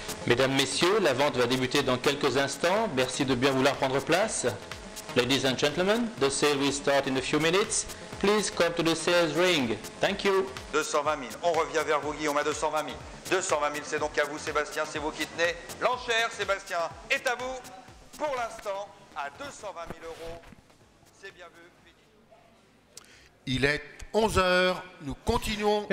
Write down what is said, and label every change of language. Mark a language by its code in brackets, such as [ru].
[fr] Mesdames, Messieurs, la vente va débuter dans quelques instants. Merci de bien vouloir prendre place. [en] Ladies and gentlemen, the sale will start in a few minutes. Please come to the sales ring. Thank you. 220 000. [fr] On revient vers vous, Guillaume, à 220 000. 220 000, c'est donc à vous, Sébastien. C'est vous qui tenez l'enchère. Sébastien est à vous pour l'instant à 220 000 euros. C'est bien vu. Il est 11h, nous continuons.